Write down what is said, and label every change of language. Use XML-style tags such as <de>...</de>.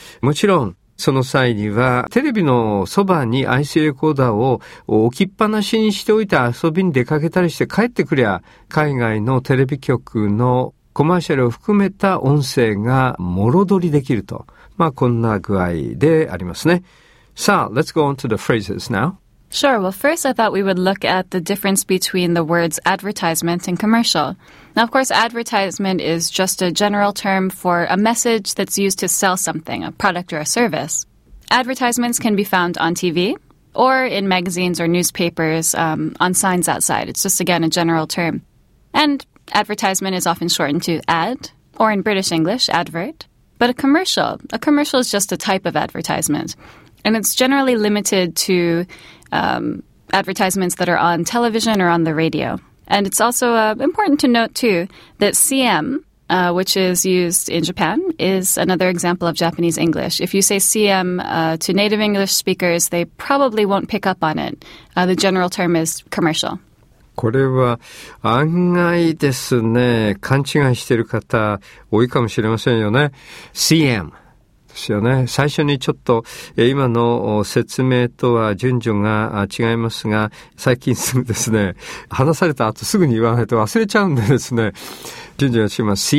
<ja>もちろん、その際にはテレビのそばに IC レコーダーを置きっぱなしにしておいて遊びに出かけたりして帰ってくりゃ海外のテレビ局のコマーシャルを含めた音声がもろ取りできると。まあこんな具合でありますね。さあ、</ja> <en>let's go on to the phrases now. Sure. Well, first I thought we would look at the difference between the words advertisement and commercial. Now, of course, advertisement is just a general term for a message that's used to sell something, a product or a service. Advertisements can be found on TV or in magazines or newspapers, on signs outside. It's just, again, a general term. And advertisement is often shortened to ad, or in British English, advert. But a commercial is just a type of advertisement. And it's generally limited to advertisements that are on television or on the radio. And it's also important to note, too, that CM, which is used in Japan, is another example of Japanese English. If you say CM to native English speakers, they probably won't pick up on it. The general term is commercial.</en> <ja>これは案外ですね、勘違いしている方多いかもしれませんよね。 CM ですよね。最初にちょっと今の説明とは順序が違いますが、最近すぐですね、話された後すぐに言わないと忘れちゃうんでですね、順序が違います。</ja>